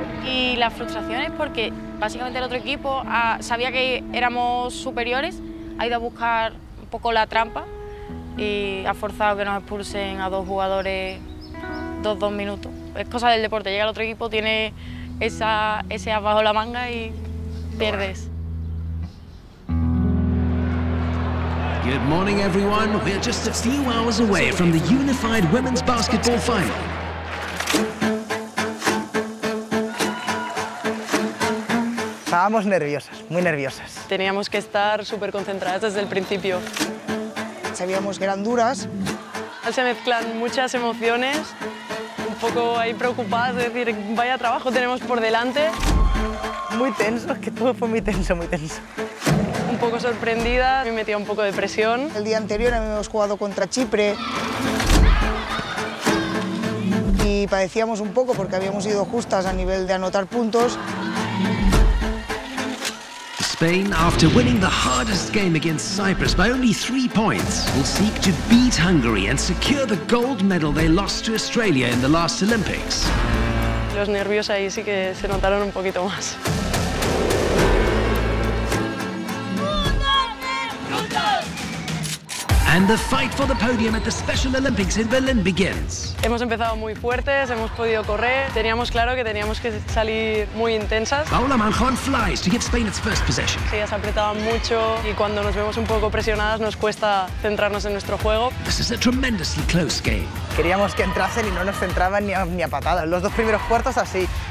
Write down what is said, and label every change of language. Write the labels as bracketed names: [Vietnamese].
[Spanish] Y la frustración es porque básicamente el otro equipo sabía que éramos superiores, ha ido a buscar un poco la trampa y ha forzado que nos expulsen a dos jugadores dos minutos. Es cosa del deporte, llega el otro equipo, tiene ese as bajo la manga y pierdes. [English] Good morning, everyone. We're just a few hours away from the unified women's basketball final. [Spanish] Estábamos nerviosas, muy nerviosas. Teníamos que estar súper concentradas desde el principio. Sabíamos que eran duras. Se mezclan muchas emociones. Un poco ahí preocupadas, es decir, vaya trabajo tenemos por delante. Muy tenso, es que todo fue muy tenso, muy tenso. Un poco sorprendida, me metía un poco de presión. El día anterior habíamos jugado contra Chipre. Y padecíamos un poco porque habíamos ido justas a nivel de anotar puntos. [English] Spain, after winning the hardest game against Cyprus by only 3 points, will seek to beat Hungary and secure the gold medal they lost to Australia in the last Olympics. [Spanish] Los nervios ahí sí que se notaron un poquito más. [English] And the fight for the podium at the Special Olympics in Berlin begins. [Spanish] Hemos empezado muy fuertes, hemos podido correr. Teníamos claro que teníamos que salir muy intensas. [English] Paula Manjón flies to give Spain its first possession. [Spanish] Sí, se apretaba mucho y cuando nos vemos un poco presionadas nos cuesta centrarnos en nuestro juego. [English] This is a tremendously close game. [Spanish] Queríamos que entrasen y no nos centraban ni a patadas. Los dos primeros cuartos así.